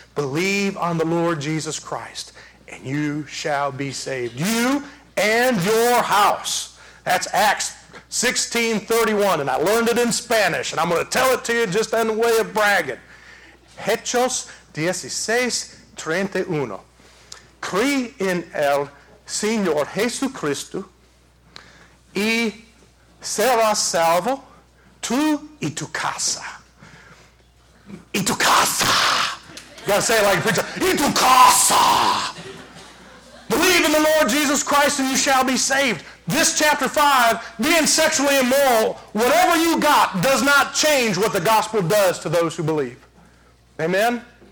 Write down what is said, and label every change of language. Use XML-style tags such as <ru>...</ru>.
<en>Believe on the Lord Jesus Christ, and you shall be saved. You and your house. That's Acts 16:31, and I learned it in Spanish, and I'm going to tell it to you just in the way of bragging.</en> <es>Hechos 16:31. Cree en el Señor Jesucristo y serás salvo. Tu y tu casa. Y tu casa.</es> <en>You got to say it like a preacher.</en> <es>Y tu casa.</es> <en>Believe in the Lord Jesus Christ and you shall be saved. This chapter 5, being sexually immoral, whatever you got does not change what the gospel does to those who believe. Amen?</en>